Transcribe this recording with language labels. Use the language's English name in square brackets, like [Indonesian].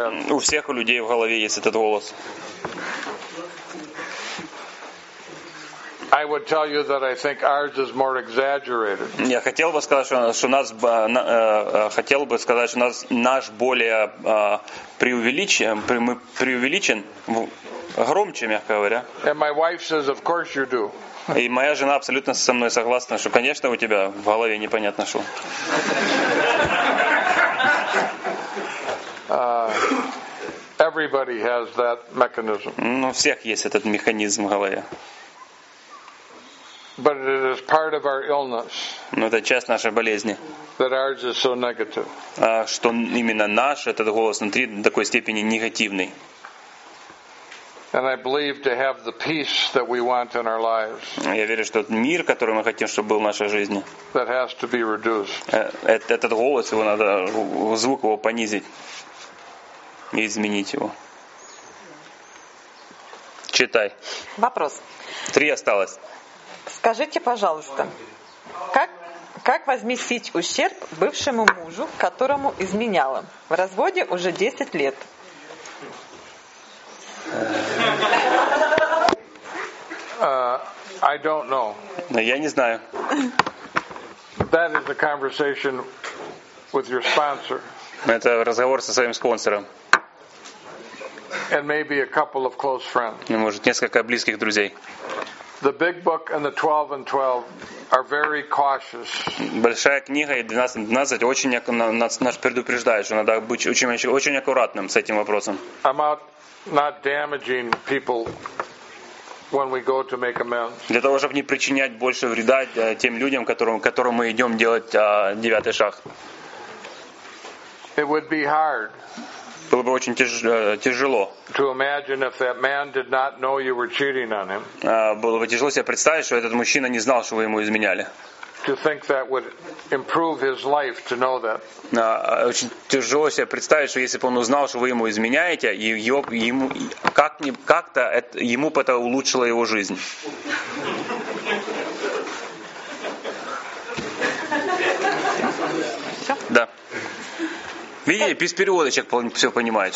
[Russian] У всех людей в голове есть этот голос. [English] I would tell you that I think ours is more exaggerated. [Russian] Я хотел бы сказать, что нас хотел бы сказать, что нас наш более преувеличен громче, мягко говоря. [English] And my wife says, of course you do. [Russian] И моя жена абсолютно со мной согласна, что, конечно, у тебя в голове непонятно что. [English] Everybody has that mechanism. [Russian] Ну, у всех есть этот механизм в голове. [English] But it is part of our illness. [Russian] Но это часть нашей болезни. [English] That ours is so negative. [Russian] Что именно наш этот голос внутри до такой степени негативный. [English] And I believe to have the peace that we want in our lives. [Russian] Я верю, что мир, который мы хотим, чтобы был в нашей жизни. [English] That has to be reduced. [Russian] Этот голос его надо звук его понизить и изменить его. Читай. Вопрос. Три осталось. Скажите, пожалуйста, как возместить ущерб бывшему мужу, которому изменяла? В разводе уже 10 лет. [English] I don't know. [Russian] Но я не знаю. [English] That is a conversation with your sponsor. [Russian] Это разговор со своим спонсором. [English] And maybe a couple of close friends. [Russian] И, может, несколько близких друзей. [English] The Big Book and the 12 and 12 are very cautious. [Russian] Большая книга и 12 очень нас предупреждают, что надо быть очень аккуратным с этим вопросом. [English] About not damaging people when we go to make amends. [Russian] Для того, чтобы не причинять больше вреда тем людям, которым мы идем делать девятый шаг. [English] It would be hard. [Russian] Было бы очень тяжело. [English] To imagine if that man did not know you were cheating on him. [Russian] Было бы тяжело себе представить, что этот мужчина не знал, что вы ему изменяли. [English] To think that would improve his life to know that. [Russian] Очень тяжело себе представить, что если бы он узнал, что вы ему изменяете, и ему как-то ему это улучшило его жизнь. Да. Видите, без перевода человек все понимает.